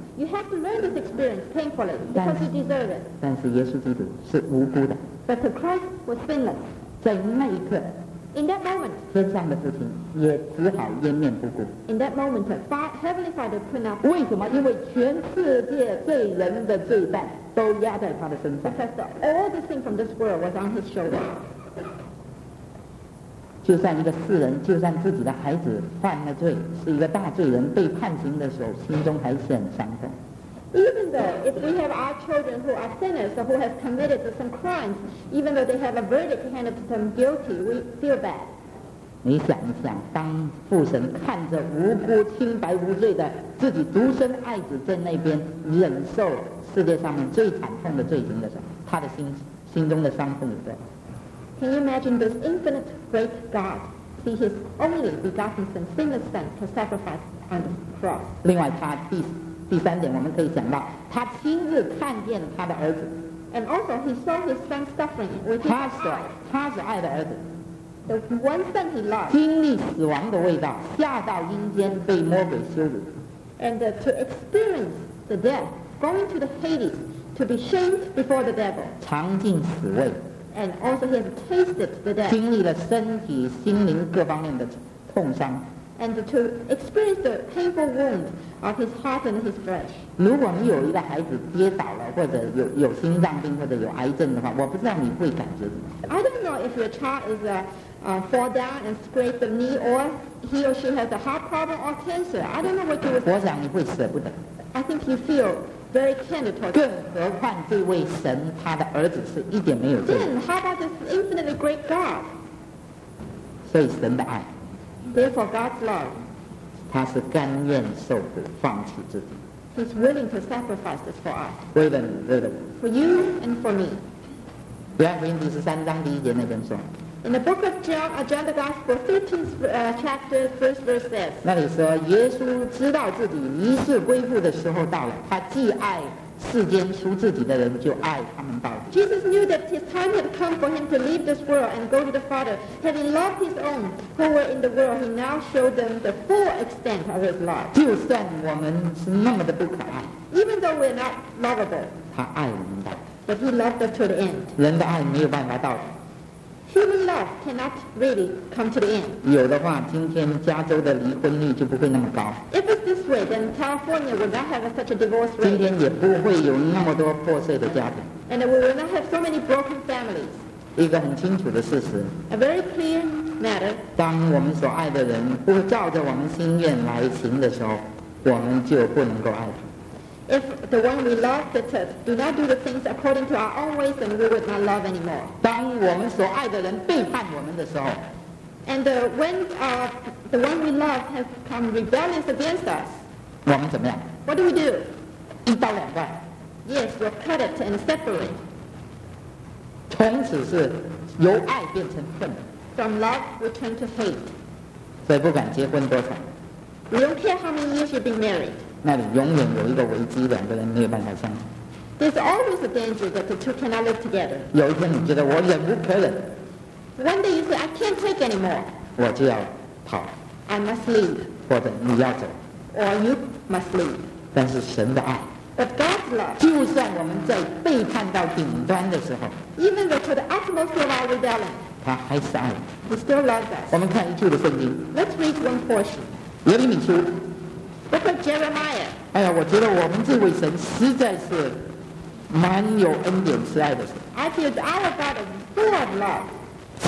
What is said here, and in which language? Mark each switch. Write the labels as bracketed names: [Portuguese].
[English] You have to learn this experience painfully because you deserve it. [Chinese] 但是耶稣基督是无辜的。 [English] But the Christ was sinless. [Chinese] 在那一刻 [English] ，In that moment, [Chinese] 天上的父亲也只好掩面不顾。 [English] In that moment, Heavenly Father put up. [Chinese] 为什么？因为全世界罪人的罪债都压在他的身上。 [English] Because all the sin from this world was on his shoulder. [Chinese] 就算一个世人，就算自己的孩子犯了罪，是一个大罪人，被判刑的时候，心中还是很伤痛。 [English] Even though if we have our children who are sinners or who have committed some crimes, even though they have a verdict handed to them guilty, we feel bad. [Chinese] 你想一想，当父神看着无辜、清白无罪的自己独生爱子在那边忍受世界上面最惨痛的罪行的时候，他的心中的伤痛是多少？ [English] Can you imagine this infinite great God see his only begotten son, sinless son, to sacrifice on the cross? [Chinese] 另外他第三点我们可以想到他亲自看见他的儿子。 [English] And also he saw his son suffering with his eyes. [Chinese] 他是爱的儿子。 [English] The one son he loved. [Chinese] 经历死亡的味道下到阴间被魔鬼羞辱。 [English] And to experience the death, going to the Hades, to be shamed before the devil. [Chinese] 尝尽死味。 [English] And also he has tasted the death. [Chinese] 经历了身体、心灵各方面的痛伤。 [English] And to experience the painful wound of his heart and his flesh. [Chinese] 如果你有一个孩子跌倒了，或者有心脏病，或者有癌症的话，我不知道你会感觉怎么样。 [English] I don't know if your child is fall down and scrape the knee, or he or she has a heart problem or cancer. I don't know what you would. [Chinese] 我想你会舍不得。 [English] I think you feel. Very tender towards [Chinese] 更何况这位神他的儿子是一点没有罪。 [English] Then how about this infinitely great God? [Chinese] 所以神的爱。 [English] Therefore God's love. [Chinese] 他是甘愿受苦放弃自己。 [English] He's willing to sacrifice this for us. [Chinese] 为了你为了我。 [English] For you and for me. [Chinese] 约翰福音第十三章第一节那边说。 [English] In the book of John, John the Gospel, 13th chapter, first verse says, [Chinese] 那里说耶稣知道自己离世归父的时候到了，他既爱世间属自己的人，就爱他们到底。 [English] Jesus knew that his time had come for him to leave this world and go to the Father. Having loved his own who were in the world, he now showed them the full extent of his love. [Chinese] 就算我们是那么的不可爱， [English] even though we're not lovable, [Chinese] 他爱我们到底。 [English] But he loved us to the end. [Chinese] 人的爱没有办法到底。 [English] Human love cannot really come to the end. [Chinese] 有的话，今天加州的离婚率就不会那么高。 [English] If it's this way, then California would not have such a divorce rate. [Chinese] 今天也不会有那么多破碎的家庭。 [English] And we will not have so many broken families. [Chinese] 一个很清楚的事实。 [English] A very clear matter. [Chinese] 当我们所爱的人不照着我们心愿来行的时候，我们就不能够爱他。 [English] If the one we love that do not do the things according to our own ways, then we would not love anymore. [Chinese] 当我们所爱的人背叛我们的时候 [English] ，and when the one we love has become rebellious against us, [Chinese] 我们怎么样 [English] ？What do we do? [Chinese] 一刀两断 [English] Yes, we'll cut it and separate. [Chinese] 从此是由爱变成恨。 [English] From love, we turn to hate. [Chinese] 所以不管结婚多少。 [English] We don't care how many years you've been married. [Chinese] 那里永远有一个危机，两个人没有办法相爱。 [English] There's always a danger that the two cannot live together. [Chinese] 有一天你觉得我忍无可忍。 [English] One day you say, I can't take anymore. [Chinese] 我就要跑。 [English] I must leave. [Chinese] 或者你要走。 [English] Or you must leave. [Chinese] 但是神的爱。 [English] But God's love. [Chinese] 就算我们在背叛到顶端的时候。 [English] Even though to the utmost of our rebellion. [Chinese] 他还是爱。 [English] He still loves us. [Chinese] 我们看一处的圣经。 [English] Let's read one portion. [Chinese] 耶利米书 [English] Book of Jeremiah [Chinese] 哎呀我觉得我们这位神实在是蛮有恩典慈爱的神 [English] I feel that our God is full of love